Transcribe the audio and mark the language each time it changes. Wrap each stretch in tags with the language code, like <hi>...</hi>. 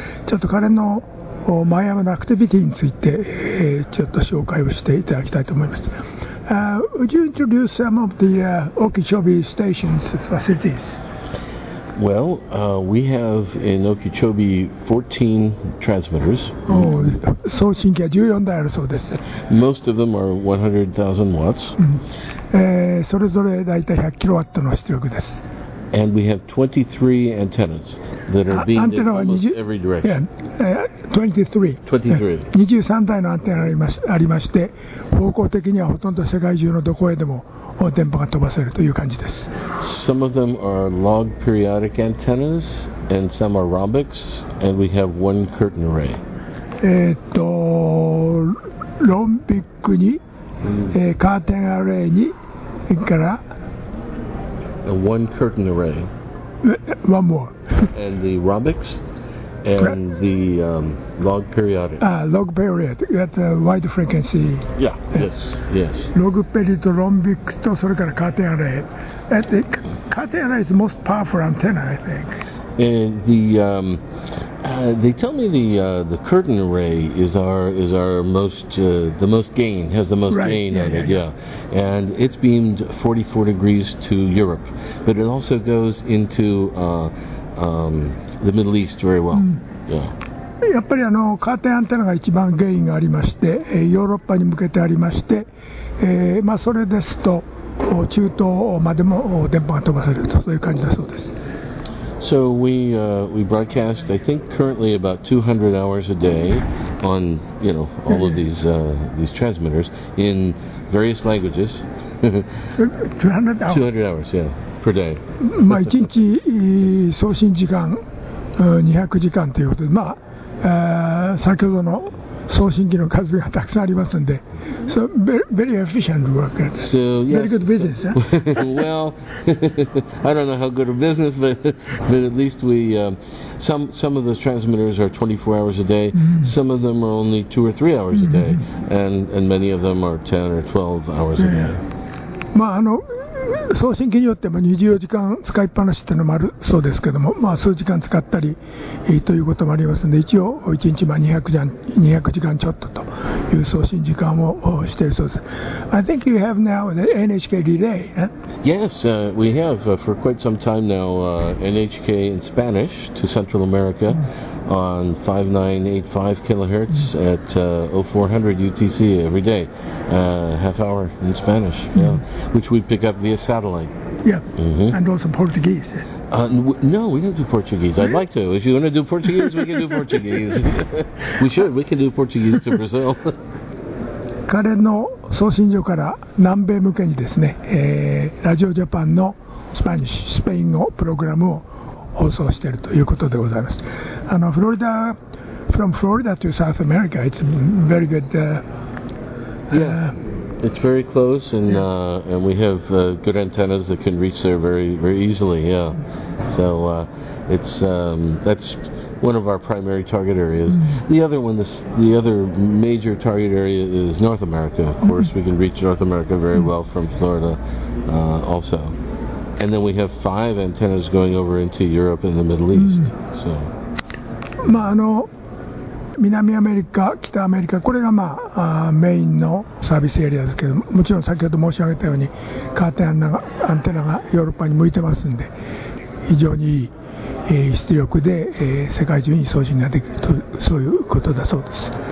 <ja>ちょっと彼のマイアムのアクティビティについて、ちょっと紹介をしていただきたいと思います。</ja> <en>Would you introduce some of the Okeechobee Station's facilities? Well, we have in Okeechobee 14 transmitters.</en> <ja>Oh, 送信機は14台あるそうです。</ja> <en>Most of them are 100,000 watts.</en> <ja>それぞれ大体 100kW の出力です。</ja> <en>And we have 23 antennas that are being used in almost every direction.</en> <ja>Yeah, 23台のアンテナありまして、方向的にはほとんど世界中のどこへでも電波が飛ばせるという感じです。</ja> <en>Some of them are log periodic antennas, and some are rhombics, and we have one curtain array.</en> <ja>ロンビックに、カーテンアレイに、から、</ja> <en>And one curtain array. One more. And the rhombics and the log periodic. Log periodic. At a wide frequency. Yeah. Yes. Yes. Log periodic, rhombic, and それから curtain array. And the curtain array is the most powerful antenna, I think. And the they tell me the curtain array is our most the most gain, has the most gain on it, yeah. And it's beamed 44 degrees to Europe, but it also goes into the Middle East very well.</en> <ja>やっぱりあのカーテンアンテナが一番原因がありまして、ヨーロッパに向けてありまして、まあ、それですと中東までも電波が飛ばされるとそういう感じだそうです。</ja> <en>So we broadcast, I think, currently about 200 hours a day on, you know, all of these transmitters in various languages. 200 hours? 200 hours, yeah, per day.</en> <ja>まあ、1日送信時間200時間ということで、まあ、先ほどの送信機の数がたくさんありますので、</ja> <en>So, very efficient work. So, yes. Very good business, huh? Well, I don't know how good a business, but at least we, some of those transmitters are 24 hours a day. Mm-hmm. Some of them are only 2 or 3 hours mm-hmm. a day. And many of them are 10 or 12 hours a day.</en> <ja>まあ、あの、送信機によっても24時間使いっぱなしっていうのもあるそうですけども、まあ、数時間使ったり、ということもありますので、一応1日200時間ちょっとという送信時間をしているそうです。</ja> <en>I think you have now the NHK relay, huh? Yes, we have for quite some time now NHK in Spanish to Central America on 5985 kilohertz at 0400 UTC every day, half hour in Spanish, yeah, which we pick up via satellite. Yeah, mm-hmm. And also Portuguese. No, we don't do Portuguese. I'd like to. If you want to do Portuguese, we can do Portuguese. We should. We can do Portuguese to Brazil.</en> <ja>彼の送信所から南米向けにですね、ラジオジャパンのスペイン語プログラムを放送しているということでございます。</ja> <en>あの、フロリダ、from Florida to South America, it's very good. Yeah. It's very close, and we have good antennas that can reach there very, very easily. Yeah, so it's that's one of our primary target areas. The other one, the other major target area is North America. Of course, we can reach North America very well from Florida, also. And then we have five antennas going over into Europe and the Middle East. So,</en> <ja>まああの。南アメリカ、北アメリカ、これが、まあ、メインのサービスエリアですけども、もちろん先ほど申し上げたようにカーテンアンテナがヨーロッパに向いてますんで、非常にいい、出力で、世界中に送信ができるとそういうことだそうです。</ja>